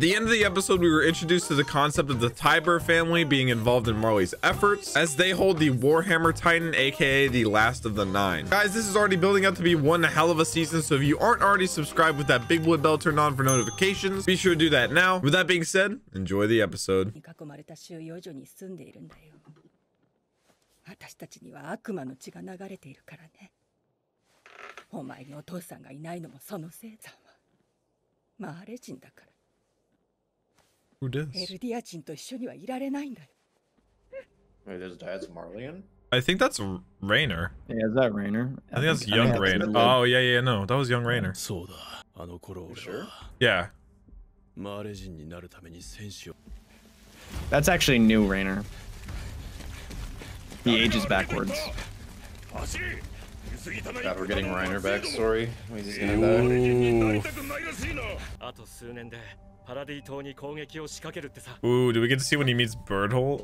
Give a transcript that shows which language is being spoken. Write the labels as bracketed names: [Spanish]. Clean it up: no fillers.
[English] At the end of the episode, we were introduced to the concept of the Tiber family being involved in Marley's efforts, as they hold the Warhammer Titan, aka the Last of the Nine. Guys, this is already building up to be one hell of a season, so if you aren't already subscribed with that big wood bell turned on for notifications, be sure to do that now. With that being said, enjoy the episode. [Japanese] 住んでいるんだよ。私たちには悪魔の血が流れているからね。お前にお父さんがいないのもそのせいだわ。マーレ人だから。 [English] Who does? [Japanese] エルディア人と一緒にはいられないんだよ。 [English] Wait, there's Diaz Marlian? I think that's Reiner. Yeah, is that Reiner? I think that's young Reiner. Oh, yeah, yeah, no. That was young Reiner. [Japanese] そうだ。あの頃 [English] は。Sure? Yeah. [Japanese] マーレ人になるために戦士を… [English] That's actually new, Reiner. He ages backwards. God, we're getting Reiner backstory. He's gonna die. Ooh. Ooh, do we get to see when he meets Birdhole?